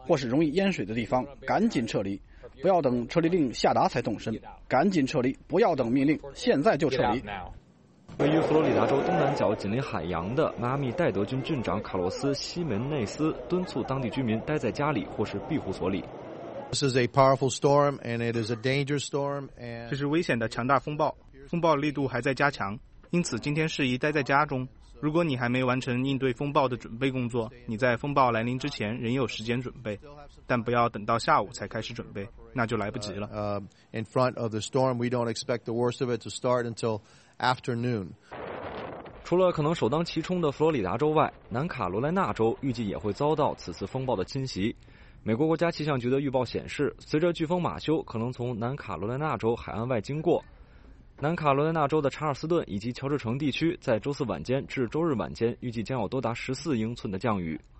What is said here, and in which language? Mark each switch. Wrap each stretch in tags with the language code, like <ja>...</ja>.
<zh>或是容易淹水的地方，赶紧撤离，不要等撤离令下达才动身，赶紧撤离，不要等命令，现在就撤离。位于佛罗里达州东南角紧邻海洋的迈阿密戴德郡郡长卡洛斯·西门内斯敦促当地居民待在家里或是庇护所里。</zh> <en>This is a powerful storm and it is a dangerous storm and</en> <zh>这是危险的强大风暴，风暴力度还在加强，因此今天适宜待在家中。如果你还没完成应对风暴的准备工作，你在风暴来临之前仍有时间准备，但不要等到下午才开始准备，那就来不及了。</zh> <en>In front of the storm, we don't expect the worst of it to start until afternoon.</en> <zh>除了可能首当其冲的佛罗里达州外，南卡罗来纳州预计也会遭到此次风暴的侵袭。美国国家气象局的预报显示，随着飓风马修可能从南卡罗来纳州海岸外经过，南卡罗来纳州的查尔斯顿以及乔治城地区在周四晚间至周日晚间预计将有多达14英寸的降雨。</zh>